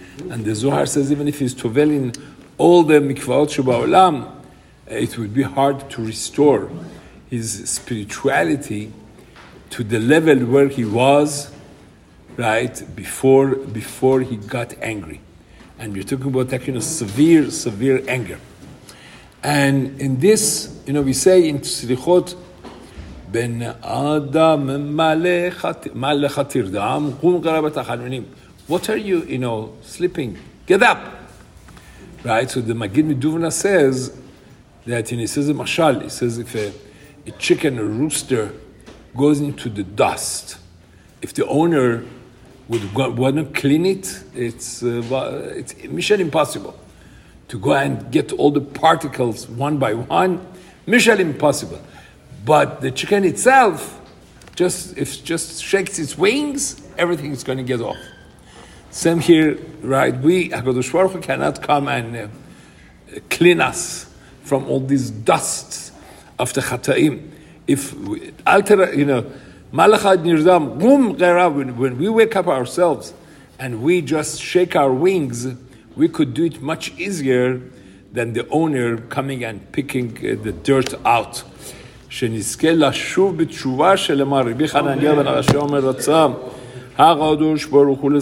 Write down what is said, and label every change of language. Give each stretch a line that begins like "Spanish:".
English: And the Zohar says, even if he's Tovel in all the Mikvaot Sheba Olam, it would be hard to restore his spirituality to the level where he was, right, before he got angry. And you're talking about that, you know, severe, severe anger. And in this, you know, we say in Tzlichot
Hebrew: בן אדם מלך תרדם, קום גרה בתחנונים.
English: What are you, you know, sleeping? Get up! Right, so the Magid Meduvna says that, and he says a mashal, he says if a chicken, a rooster, goes into the dust, if the owner would want to clean it, it's mission impossible. To go and get all the particles one by one, mission impossible. But the chicken itself, if shakes its wings, everything is going to get off. Same here, right? We, HaKadosh Baruch Hu, cannot come and clean us from all these dusts of the Chataim. If we alter, you know, Malachad Nirdam, Gum Gera, when we wake up ourselves and we just shake our wings, we could do it much easier than the owner coming and picking the dirt out.
Hebrew: שנזכה לשוב בתשובה שלמה, רבי חנניה בן הרשע אומר רצה, הקדוש ברוך הוא לזה.